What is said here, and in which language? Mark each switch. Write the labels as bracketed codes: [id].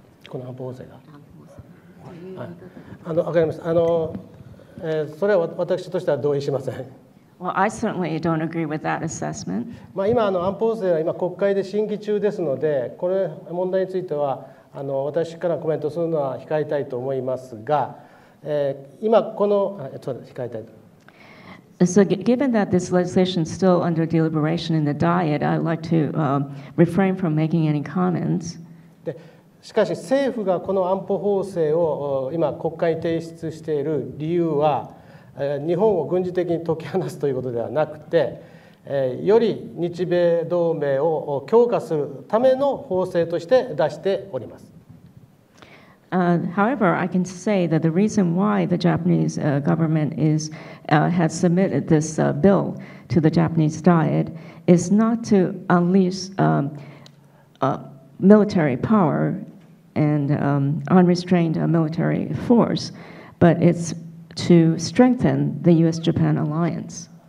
[en] Well, I certainly don't agree with that assessment. [ja] あの、私からコメントするのは控えたいと思いますが、今この、控えたいと。 [en] So given that this legislation is still under deliberation in the Diet, I'd like to refrain from making any comments. [ja] しかし政府がこの安保法制を今国会に提出している理由は日本を軍事的に解き放つということではなくてより日米同盟を強化するための法制として出しております。 [en] However, I can say that the reason why the Japanese government is, has submitted this bill to the Japanese Diet is not to unleash military power and unrestrained military force, but it's to strengthen the U.S.-Japan alliance.